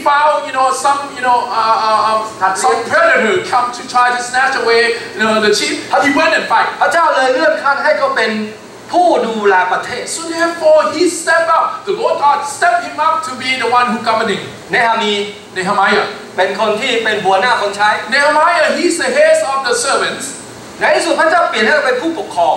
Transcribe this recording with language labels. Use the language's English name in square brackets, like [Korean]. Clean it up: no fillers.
[English] found some predator come to try to snatch away the sheep, he went and fight. [Thai] พระเจ้าเลยเลื่อนขั้นให้เขาเป็นผู้ดูแลประเทศ [English] so therefore he step up the Lord God step him up to be the one who governing [Thai] Nehemiah เป็นคนที่เป็นหัวหน้าคนใช้ [English] Nehemiah he's the head of the servants [Thai] ในที่สุดพระเจ้าเปลี่ยนให้เป็นผู้ปกครอง